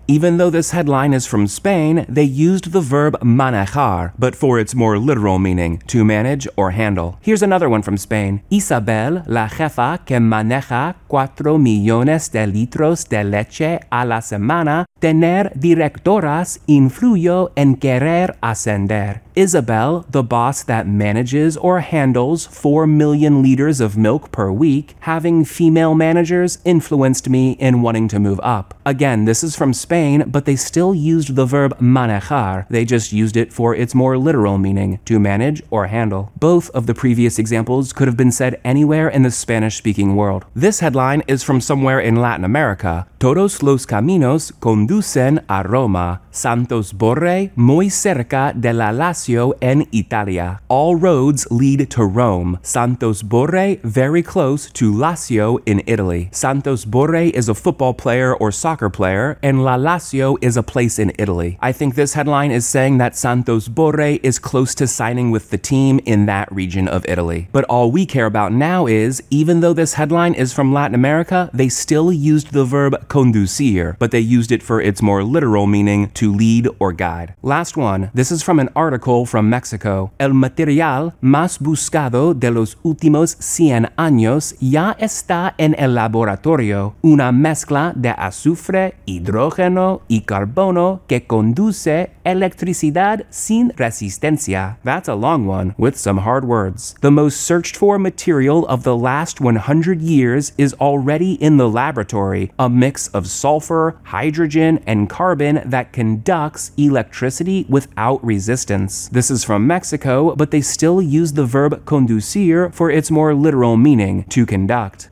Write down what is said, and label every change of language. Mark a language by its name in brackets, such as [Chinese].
[English] Even though this headline is from Spain, they used the verb manejar, but for its more literal meaning, to manage or handle. Here's another one from Spain. [Spanish] Isabel, la jefa que maneja 4 millones de litros de leche a la semana, tener directoras influyó en querer ascender. [English] Isabel, the boss that manages or handles 4 million liters of milk per week, having female managers influenced me in wanting to move up. Again, this is from Spain, but they still used the verb manejar. They just used it for its more literal meaning, to manage or handle. Both of the previous examples could have been said anywhere in the Spanish-speaking world. This headline is from somewhere in Latin America. [Spanish] Todos los caminos conducen a Roma. Santos Borre, muy cerca de la Lazio en Italia. [English] All roads lead to Rome. Santos Borre, very close to Lazio in Italy. Santos Borre is a football player or soccer player, and La Lazio is a place in Italy. I think this headline is saying that Santos Borre is close to signing with the team in that region of Italy. But all we care about now is, even though this headline is from Latin America, they still used the verb conducir, but they used it for its more literal meaning, to lead or guide. Last one. This is from an article from Mexico. [Spanish] El material más buscado de los últimos 100 años ya está en el laboratorio. Una mezcla de azufre, hidrógeno y carbono que conduce electricidad sin resistencia. [English] That's a long one with some hard words. The most searched for material of the last 100 years is already in the laboratory, a mix of sulfur, hydrogen, and carbon that conducts electricity without resistance. This is from Mexico, but they still use the verb conducir for its more literal meaning, to conduct.